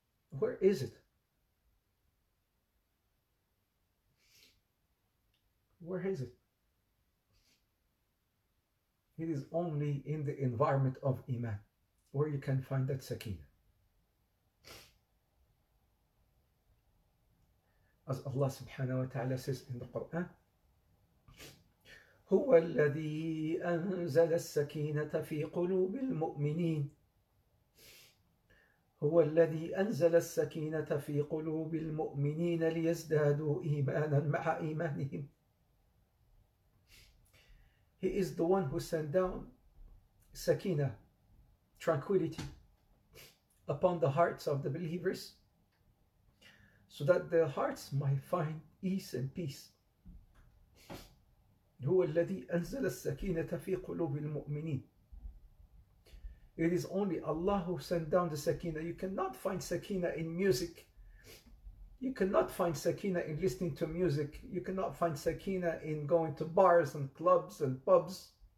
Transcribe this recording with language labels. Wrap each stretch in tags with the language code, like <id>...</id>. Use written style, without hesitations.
<en>Where is it? Where is it? It is only in the environment of Iman where you can find that sakina. As Allah subhanahu wa ta'ala says in the Quran,</en> <ar>هو الذي أنزل السكينة في قلوب المؤمنين هو الذي أنزل السكينة في قلوب المؤمنين ليزدادوا إيمانا مع إيمانهم.</ar> <en>He is the one who sent down sakina, tranquility, upon the hearts of the believers, so that their hearts might find ease and peace.</en> <ar>هو الذي أنزل السكينة في قلوب المؤمنين.</ar> <en>It is only Allah who sent down the sakina. You cannot find sakina in music. You cannot find sakina in listening to music. You cannot find sakina in going to bars and clubs and pubs.</en>